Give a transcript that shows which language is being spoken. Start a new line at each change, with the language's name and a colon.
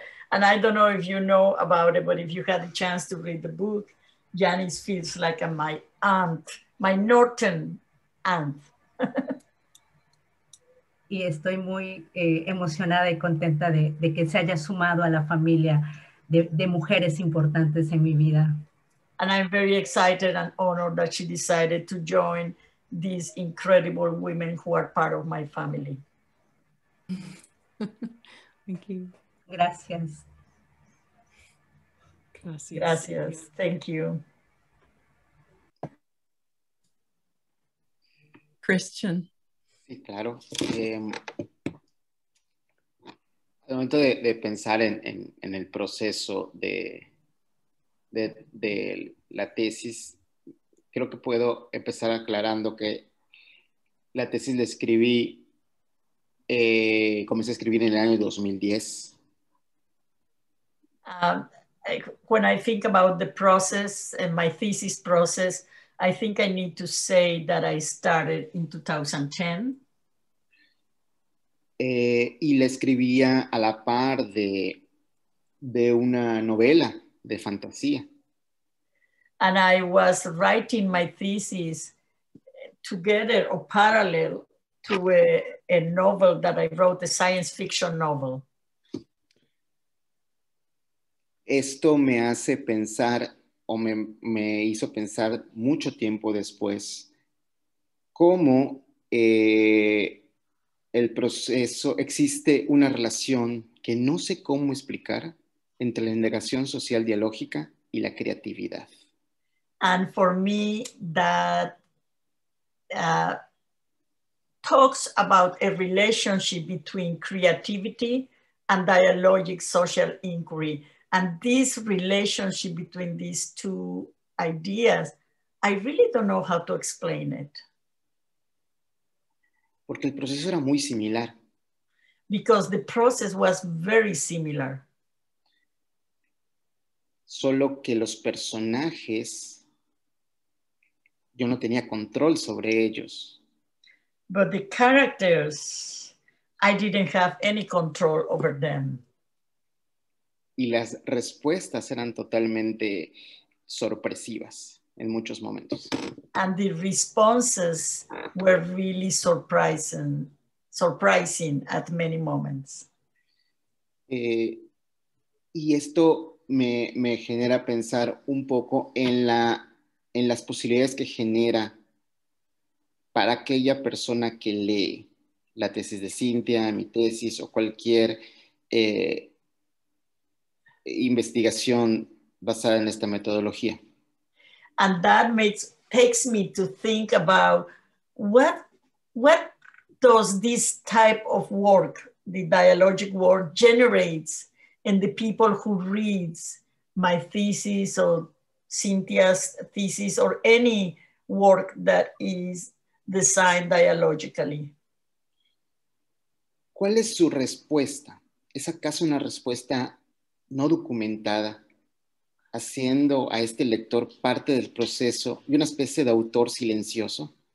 English: And I don't know if you know about it, but if you had a chance to read the book, Janice feels like a, my aunt, my Norton aunt.
Spanish: Y estoy muy emocionada y contenta de que se haya sumado a la familia de mujeres importantes en mi vida.
English: And I'm very excited and honored that she decided to join these incredible women who are part of my family. Thank you.
Spanish: Gracias. Gracias. Gracias.
English: Thank you.
Spanish: Christian. Sí, claro. Al momento de pensar en el proceso de la tesis, creo que puedo empezar aclarando que la tesis la escribí, comencé a escribir en el año 2010.
English: When I think about the process and my thesis process, I think I need to say that I started in 2010.
Spanish: Y la escribía a la par de una novela de fantasía.
English: And I was writing my thesis together or parallel to a novel that I wrote, a science fiction novel.
Spanish: Esto me hace pensar o me hizo pensar mucho tiempo después cómo el proceso existe una relación que no sé cómo explicar entre la negación social dialógica y la creatividad.
English: And for me that talks about a relationship between creativity and dialogic social inquiry. And this relationship between these two ideas, I really don't know how to explain it.
Spanish: Porque el proceso era muy similar.
English: Because the process was very similar.
Spanish: Solo que los personajes, yo no tenía control sobre ellos.
English: But the characters, I didn't have any control over them.
Spanish: Y las respuestas eran totalmente sorpresivas en muchos momentos.
English: And the responses were really surprising at many moments.
Spanish: Y esto me genera pensar un poco en la en las posibilidades que genera para aquella persona que lee la tesis de Cintia, mi tesis o cualquier investigación basada en esta metodología.
English: And that takes me to think about what does this type of work, the dialogic work, generates in the people who reads my thesis or Cynthia's thesis or any work that is designed dialogically.
Spanish: ¿Cuál es su respuesta? ¿Es acaso una respuesta no documentada, haciendo a este lector parte del proceso y una especie de autor silencioso?